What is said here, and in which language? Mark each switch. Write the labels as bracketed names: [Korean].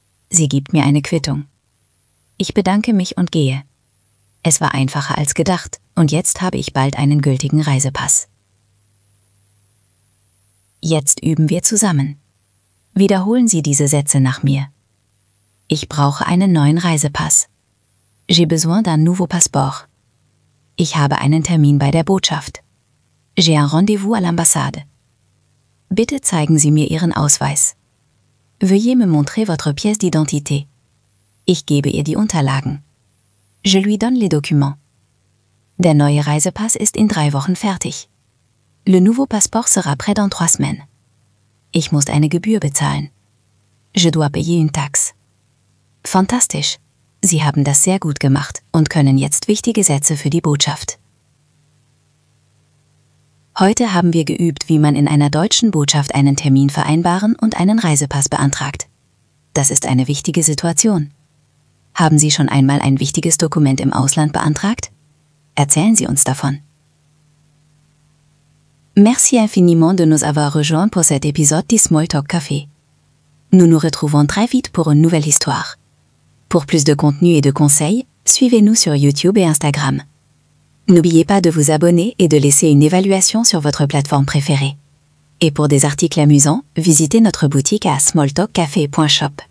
[German] Sie gibt mir eine Quittung. Ich bedanke mich und gehe. Es war einfacher als gedacht und jetzt habe ich bald einen gültigen Reisepass. Jetzt üben wir zusammen. Wiederholen Sie diese Sätze nach mir. Ich brauche einen neuen Reisepass. [French] J'ai besoin d'un nouveau passeport. [German] Ich habe einen Termin bei der Botschaft. [French] J'ai un rendez-vous à l'ambassade. [German] Bitte zeigen Sie mir Ihren Ausweis. [French] Veuillez me montrer votre pièce d'identité. [German] Ich gebe ihr die Unterlagen. [French] Je lui donne les documents. [German] Der neue Reisepass ist in 3 Wochen fertig. [French] Le nouveau passeport sera prêt dans 3 semaines. [German] Ich muss eine Gebühr bezahlen. [French] Je dois payer une taxe. [German] Fantastisch! Sie haben das sehr gut gemacht und können jetzt wichtige Sätze für die Botschaft. Heute haben wir geübt, wie man in einer deutschen Botschaft einen Termin vereinbaren und einen Reisepass beantragt. Das ist eine wichtige Situation. Haben Sie schon einmal ein wichtiges Dokument im Ausland beantragt? Erzählen Sie uns davon. [French] Merci infiniment de nous avoir rejoints pour cet épisode du Small Talk Café. Nous nous retrouvons très vite pour une nouvelle histoire. Pour plus de contenu et de conseils, suivez-nous sur YouTube et Instagram. N'oubliez pas de vous abonner et de laisser une évaluation sur votre plateforme préférée. Et pour des articles amusants, visitez notre boutique à smalltalkcafé.shop.